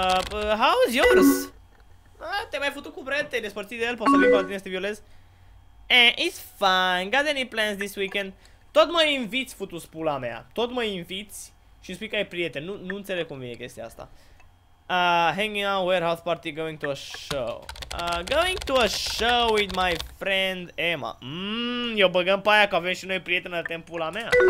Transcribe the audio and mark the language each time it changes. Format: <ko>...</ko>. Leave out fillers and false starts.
<en>How's yours?</en> <ro>Te-ai mai futut cu Brad, te-ai despărțit de el, poți să vii cu altine să te violezi?</ro> <en>It's fine, got any plans this weekend?</en> <ro>Tot mă inviți, futu-s pula mea. Tot mă inviți și spui că ai prieten. Nu înțeleg cum vine chestia asta.</ro> <en>Hanging out, warehouse party, going to a show. Going to a show with my friend Emma.</en> <ro>Eu băgăm pe aia că avem și noi prietenă de timpul la mea.</ro>